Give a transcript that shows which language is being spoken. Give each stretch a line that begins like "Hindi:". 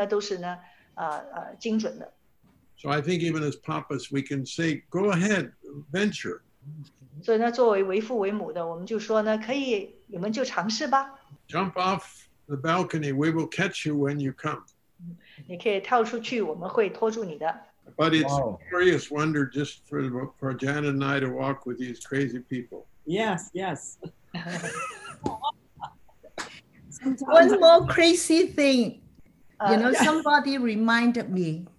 Chinese: 我想不认识一个人是从一开始第一次开始每一次呢都是呢精准的。
English: So I think even as papas we can say go ahead venture.
Chinese: 所以呢作为为父为母的我们就说呢可以你们就尝试吧。
English: Jump off the balcony, we will catch you when you come.
Chinese: 你可以跳出去我们会拖住你的。
English: But it's a curious wonder just for Jan and I to walk with these crazy people. Yes. One more crazy thing, you know, somebody reminded me.